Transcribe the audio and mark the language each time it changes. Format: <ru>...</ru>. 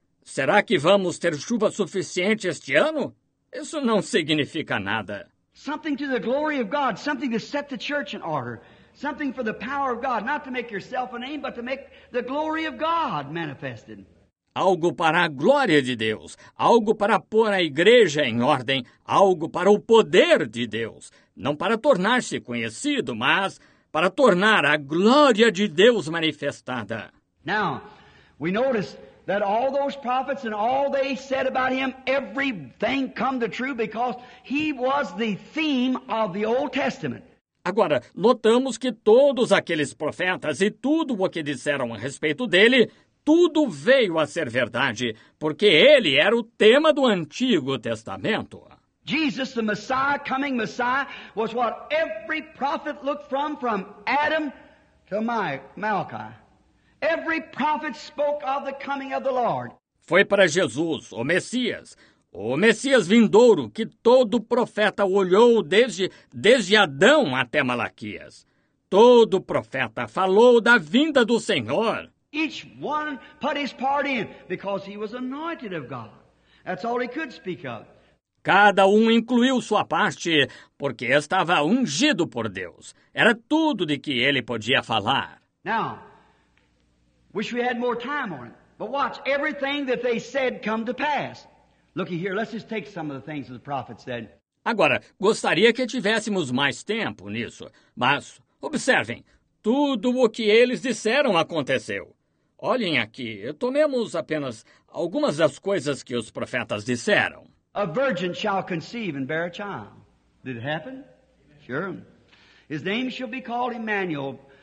<pt>Será que vamos ter chuva suficiente este ano? Isso não significa nada.</pt> <en>Something to the glory of God, something to set the church in order, something for the power of God, not to make yourself a name, but to make the glory of God manifested.</en> <pt>Algo para a glória de Deus, algo para pôr a igreja em ordem, algo para o poder de Deus. Não para tornar-se conhecido, mas para tornar a glória de Deus manifestada.</pt> <en>Now, we notice that all those prophets and all they said about him, everything come to true because he was the theme of the Old Testament.</en> <pt>Agora, notamos que todos aqueles profetas e tudo o que disseram a respeito dele, tudo veio a ser verdade, porque ele era o tema do Antigo Testamento.</pt> <en>Jesus, the Messiah, coming Messiah, was what every prophet looked from Adam to Malachi. Every prophet spoke of the coming of the Lord.</en> <pt>Foi para Jesus, o Messias vindouro, que todo profeta olhou desde Adão até Malaquias. Todo profeta falou da vinda do Senhor.</pt> <en>Each one put his part in because he was anointed of God. That's all he could speak of.</en> <pt>Cada um incluiu sua parte porque estava ungido por Deus. Era tudo de que ele podia falar.</pt> <en>Now, wish we had more time on it. But watch, everything that they said come to pass. Look here, let's just take some of the things that the prophet said.</en> <pt>Agora, gostaria que tivéssemos mais tempo nisso. Mas, observem, tudo o que eles disseram aconteceu. Olhem aqui, tomemos apenas algumas das coisas que os profetas disseram.</pt> <en>A virgin shall conceive and bear a child. Did it happen? Sure. His name shall be called Emmanuel.</en>